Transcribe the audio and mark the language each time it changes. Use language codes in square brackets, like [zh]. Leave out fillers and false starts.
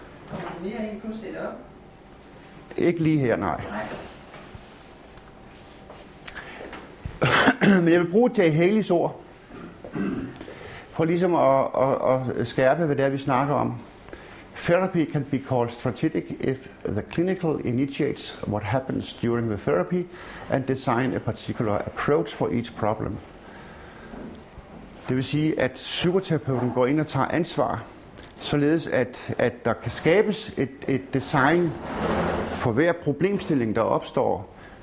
[da] Kommer du mere ind på setup? Ikke lige her, nej. Men jeg vil bruge Jay Haleys ord, for ligesom at skærpe, hvad det er, vi snakker om. [en] Therapy can be called strategic if the clinical initiates what happens during the therapy and design a particular approach for each problem. [da] Det vil sige, at psykoterapeuten går ind og tager ansvar, således at der kan skabes et design for hver problemstilling, der opstår.